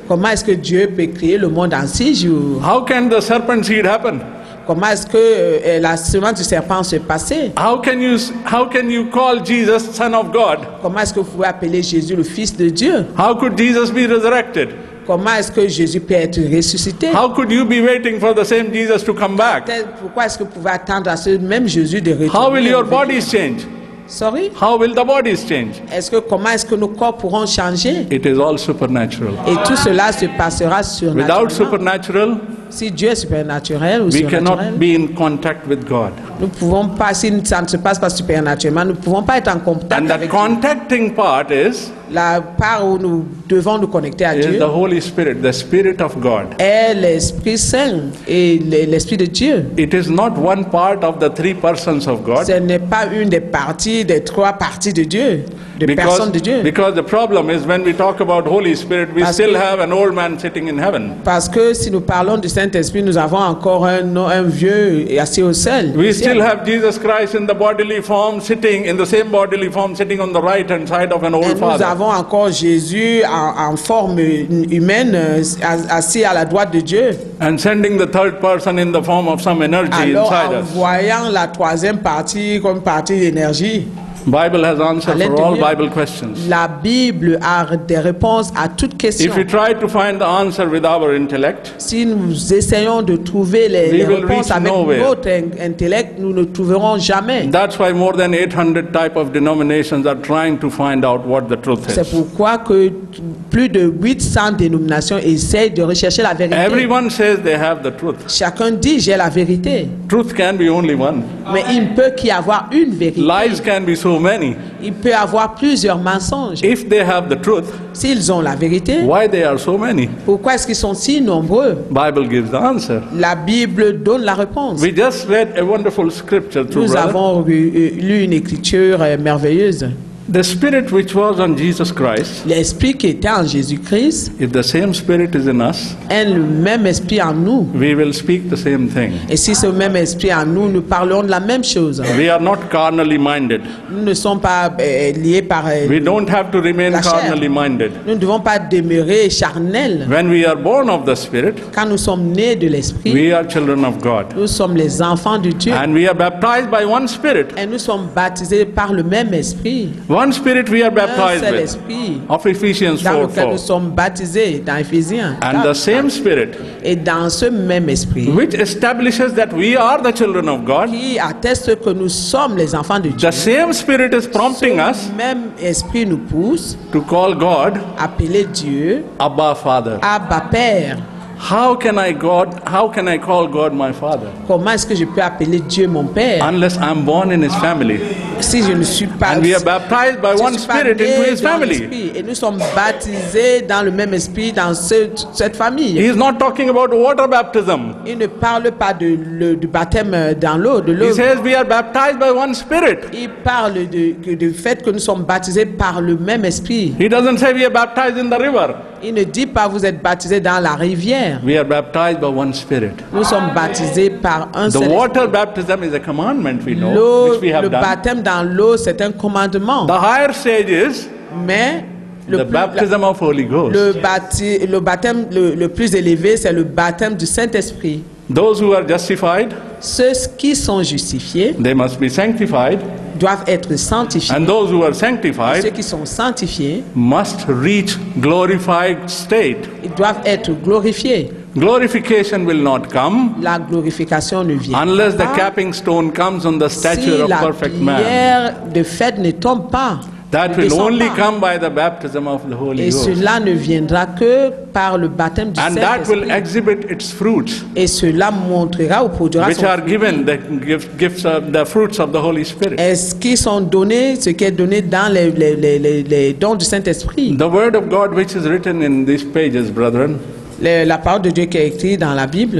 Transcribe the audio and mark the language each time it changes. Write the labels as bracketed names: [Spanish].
[French] Comment est-ce que Dieu peut créer le monde en 6 jours? [English] How can the serpent seed happen? [French] Comment est-ce que la semence du serpent s'est passée? [English] How can you call Jesus son of God? [French] Comment est-ce que vous pouvez appeler Jésus le fils de Dieu? [English] How could Jesus be resurrected? [French] Comment est-ce que Jésus peut être ressuscité? [English] How could you be waiting for the same Jesus to come back? [French] Pourquoi est-ce que vous pouvez attendre à ce même Jésus de retourner? [English] How will your bodies change? Sorry? How will the bodies change? [French] Comment est-ce que nos corps pourront changer? [English] It is all supernatural. [French] Et tout cela se passera surnaturellement. [English] Without supernatural, [French] si Dieu est supernaturel, [English] we cannot be in contact with God. [French] Nous pouvons pas, si ça ne se passe pas supernaturellement, nous pouvons pas être en contact avec Dieu. [English] And the contacting part is [French] la part où nous devons nous connecter à [English] is [French] Dieu. [English] Is the Holy Spirit, the Spirit of God. [French] Est l'Esprit Saint et l'Esprit de Dieu. [English] It is not one part of the three persons of God. [French] Ce n'est pas une des parties des trois parties de Dieu, des personnes de Dieu. [English] Because the problem is when we talk about Holy Spirit, we still have an old man sitting in heaven. [French] Parce que si nous parlons du Saint-Esprit, nous avons encore un vieux assis au ciel. [English] We still have Jesus Christ in the bodily form, sitting in the same bodily form, sitting on the right hand side of an old father. [French] Nous avons encore Jésus en forme humaine, assis à la droite de Dieu. [English] And sending the third person in the form of some energy inside us. [French] Alors, envoyant la troisième partie comme partie d'énergie. [English] Bible has answers for all Bible questions. [French] La Bible a des réponses à toutes questions. [English] If we try to find the answer with our intellect, [French] si nous essayons de trouver les réponses avec notre intellect, nous ne trouverons jamais. [English] That's why more than 800 type of denominations are trying to find out what the truth is. [French] C'est pourquoi que plus de 800 dénominations essaient de rechercher la vérité. [English] Everyone says they have the truth. [French] Chacun dit j'ai la vérité. [English] Truth can be only one. [French] Mais il ne peut qu'y avoir une vérité. [English] Lies can be so many. [French] Il peut avoir plusieurs mensonges. [English] If they have the truth, [French] s'ils ont la vérité, [English] why they are so many? [French] Pourquoi est-ce qu'ils sont si nombreux? [English] Bible gives the answer. [French] La Bible donne la réponse. [English] We just read a wonderful scripture to [French] nous avons lu une écriture merveilleuse. [English] The spirit which was on Jesus Christ, [French] l'esprit qui était en Jésus-Christ, [English] if the same spirit is in us, [French] est le même esprit en nous, [English] we will speak the same thing. [French] Et si ce même esprit en nous, nous parlons de la même chose. [English] We are not carnally minded. [French] Nous ne sommes pas liés par la chair. [English] We don't have to remain carnally minded. [French] Nous ne devons pas demeurer charnels. [English] When we are born of the spirit, [French] quand nous sommes nés de l'esprit, [English] we are children of God. [French] Nous sommes les enfants de Dieu. [English] And we are baptized by one spirit. [French] Et nous sommes baptisés par le même esprit. [English] One spirit we are baptized with, of Ephesians 4:4. [French] Dans Ephésiens, [English] and the same spirit, [French] et dans ce même esprit, [English] which establishes that we are the children of God, [French] qui atteste que nous sommes les enfants de Dieu, [English] the same spirit is prompting [French] ce [English] us [French] même esprit nous pousse [English] to call God, [French] appeler Dieu, [English] Abba Father, [French] Abba Père. [English] How can I call God my father? [French] Comment est-ce que je peux appeler Dieu mon père? [English] Unless I'm born in his family. [French] Si je ne suis pas, [English] and we are baptized by one spirit into his family. [French] Et nous sommes baptisés dans le même esprit dans cette famille. [English] He is not talking about water baptism. [French] Il ne parle pas du baptême dans l'eau, de l'eau. [English] He says we are baptized by one spirit. [French] Il parle du fait que nous sommes baptisés par le même esprit. [English] He doesn't say we are baptized in the river. [French] Il ne dit pas vous êtes baptisés dans la rivière. [English] We are baptized by one spirit. [French] Nous sommes baptisés par un seul. [English] The water baptism is a commandment we know, which we have done. [French] Le baptême dans l'eau c'est un commandement. [English] The higher stage is, [French] mais [English] the baptism of Holy Ghost. [French] Le baptême le plus élevé c'est le baptême du Saint-Esprit. [English] Those who are justified, [French] ceux qui sont justifiés, [English] they must be sanctified, [French] doivent être sanctifiés. [English] And those who are sanctified, [French] ceux qui sont sanctifiés, [English] must reach glorified state, [French] ils doivent être glorifiés. [English] Glorification will not come, [French] la glorification ne vient pas, [English] unless the capping stone comes on the stature [French] si [English] of perfect man. [French] Si la pierre de fait ne tombe pas, [English] that will only come by the baptism of the Holy Ghost. [French] Et cela ne viendra que par le baptême du Saint-Esprit. [English] And that will exhibit its fruits. [French] Et cela montrera ou produira [English] which are given the gifts of the fruits of the Holy Spirit. [French] Est-ce qu'ils sont donnés ce qui est donné dans les dons du Saint-Esprit? [English] The word of God which is written in these pages, brethren. [French] La parole de Dieu qui est écrite dans la Bible.